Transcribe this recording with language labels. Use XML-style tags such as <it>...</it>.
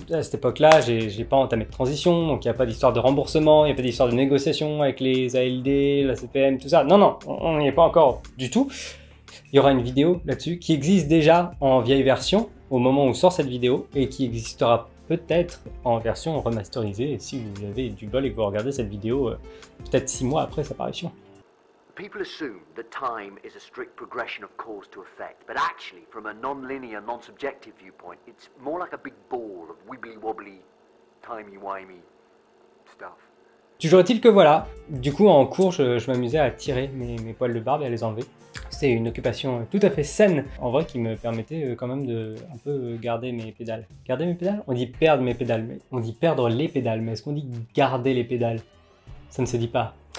<fr>À cette époque-là, j'ai pas entamé de transition, donc il n'y a pas d'histoire de remboursement, il n'y a pas d'histoire de négociation avec les ALD, la CPM, tout ça. Non, non, on n'y est pas encore du tout. Il y aura une vidéo là-dessus qui existe déjà en vieille version au moment où sort cette vidéo et qui existera peut-être en version remasterisée si vous avez du bol et que vous regardez cette vidéo peut-être 6 mois après sa parution.</fr> <en>People assume that time is a strict progression of cause to effect, but actually from a non-linear, non-subjective viewpoint, it's more like a big ball of wibbly-wobbly, timey-wimey stuff.</en> <fr>Toujours est-il que voilà, du coup en cours je m'amusais à tirer mes poils de barbe et à les enlever. C'était une occupation tout à fait saine, en vrai, qui me permettait quand même de un peu garder mes pédales. Garder mes pédales? On dit perdre mes pédales, mais on dit perdre les pédales, mais est-ce qu'on dit garder les pédales? Ça ne se dit pas.</fr>